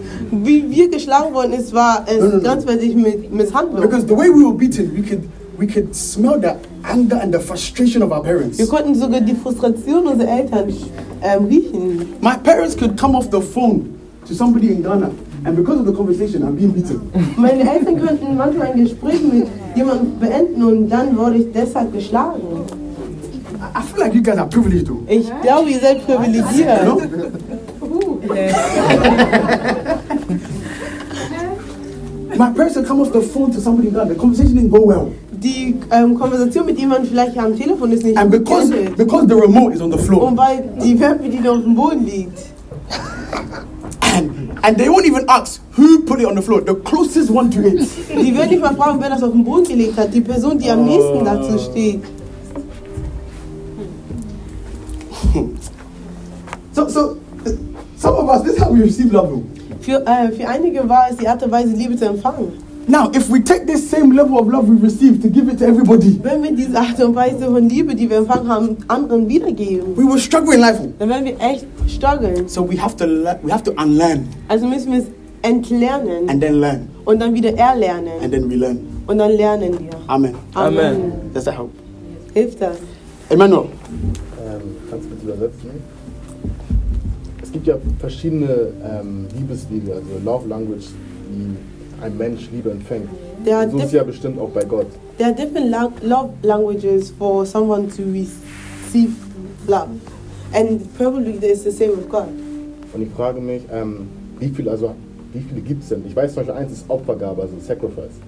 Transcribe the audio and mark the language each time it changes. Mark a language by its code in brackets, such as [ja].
[de] Wie wir geschlagen worden ist, war es grenzwertig mit Misshandlung. [en] Because the way we were beaten, we could smell the anger and the frustration of our parents. [de] Wir konnten sogar die Frustration unserer Eltern riechen. [en] My parents could come off the phone to somebody in Ghana, and because of the conversation, I'm being beaten. [de] Meine Eltern könnten manchmal ein Gespräch mit jemandem beenden und dann wurde ich deshalb geschlagen. [en] I feel like you guys are privileged, though. [de] Ich glaube, ihr seid privilegiert. [en] No? My parents will come off the phone to somebody in Ghana. The conversation didn't go well. [de] Die Konversation mit jemandem vielleicht am Telefon ist nicht. [en] And because the remote is on the floor. [de] Und weil die Fernbedienung auf dem Boden liegt. [en] And they won't even ask who put it on the floor. The closest one to it. [de] Die werden nicht mal fragen, wer das auf dem Boden gelegt hat. Die Person, die am nächsten dazu steht. [en] So. Some of us, this is how we receive love. [de] Für einige war es die Art und Weise, Liebe zu empfangen. [en] Now, if we take this same level of love we receive to give it to everybody, [de] wenn wir diese Art und Weise von Liebe, die wir empfangen haben, anderen wiedergeben, [en] we will struggle in life. [de] Dann werden wir echt strugglen. [en] So we have to unlearn. [de] Also müssen wir es entlernen. [en] And then learn. [de] Und dann wieder erlernen. [en] And then relearn. [de] Und dann lernen wir. [en] Amen. Amen. Amen. Does that help? Hilft das? Emmanuel. [de] Kannst du bitte übersetzen? Es gibt ja verschiedene Liebeslieder, also [en] Love Language, [de] die ein Mensch Liebe empfängt. So ist ja bestimmt auch bei Gott. [en] There are different love languages for someone to receive love. And probably there is the same with God. [de] Und ich frage mich, wie viele gibt es denn? Ich weiß zum Beispiel, eins ist Opfergabe, also Sacrifice.